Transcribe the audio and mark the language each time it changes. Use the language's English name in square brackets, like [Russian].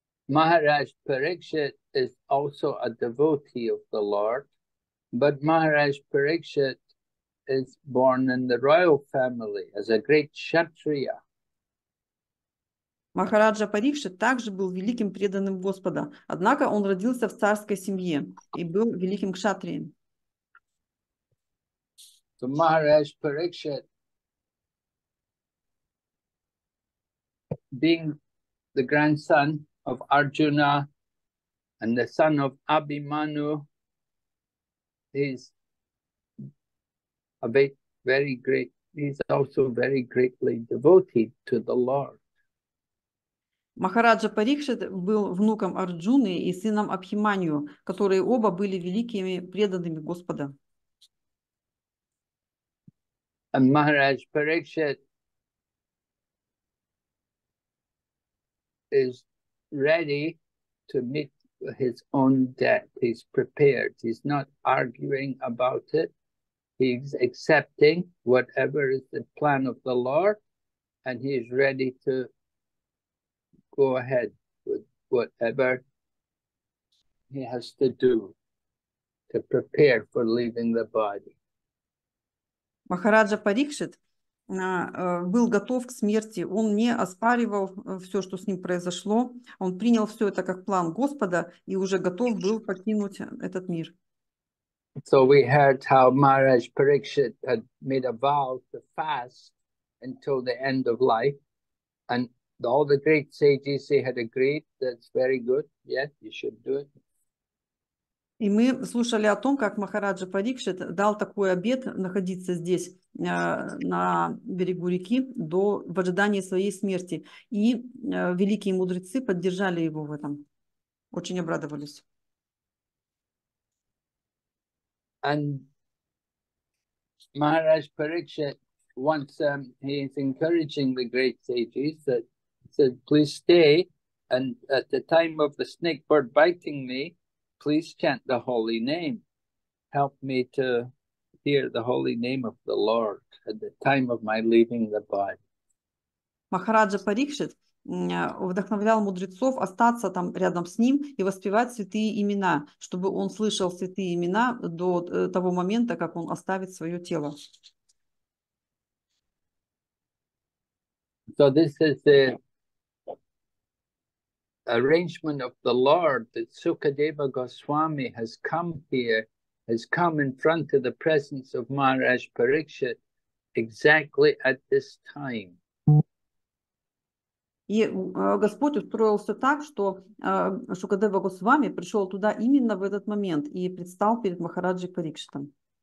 [English] Maharaj Parikshit is also a devotee of the Lord, but Maharaj Parikshit is born in the royal family as a great kshatriya. [Russian] Махараджа Парикшит также был великим преданным Господа, однако он родился в царской семье и был великим кшатрием. [English] So Maharaj Parikshit, being the grandson of Arjuna and the son of Abhimanyu, he's also very greatly devoted to the Lord. [Russian] Махараджа Парикшит был внуком Арджуны и сыном Абхиманию, которые оба были великими преданными Господа. [English] And Maharaj Parikshit is ready to meet his own death. He's prepared. He's not arguing about it. He's accepting whatever is the plan of the Lord, and he's ready to go ahead with whatever he has to do to prepare for leaving the body. [Russian] Махараджа Парикшит был готов к смерти. Он не оспаривал все, что с ним произошло. Он принял все это как план Господа и уже готов был покинуть этот мир. [English] So we heard how Maharaj Parikshit had made a vow to fast until the end of life, and all the great sages, they had agreed, that's very good, yeah, you should do it. [Russian] И мы слушали о том, как Махараджа Парикшит дал такой обет находиться здесь, на берегу реки, в ожидании своей смерти. И великие мудрецы поддержали его в этом, очень обрадовались. [English] And Maharaj Parikshit wants, he is encouraging the great sages that said, please stay, and at the time of the snake bird biting me, please chant the holy name. Help me to hear the holy name of the Lord at the time of my leaving the body. [Russian] Махараджа Парикшит вдохновлял мудрецов остаться там рядом с ним и воспевать святые имена, чтобы он слышал святые имена до того момента, как он оставит свое тело. [English] So this is the arrangement of the Lord that Sukadeva Goswami has come here has come in front of the presence of Maharaj Parikshit exactly at this time. [Russian] И Господь устроил все так, что Шукадева Госвами пришел туда именно в этот момент и предстал перед Махараджи Парикшитом.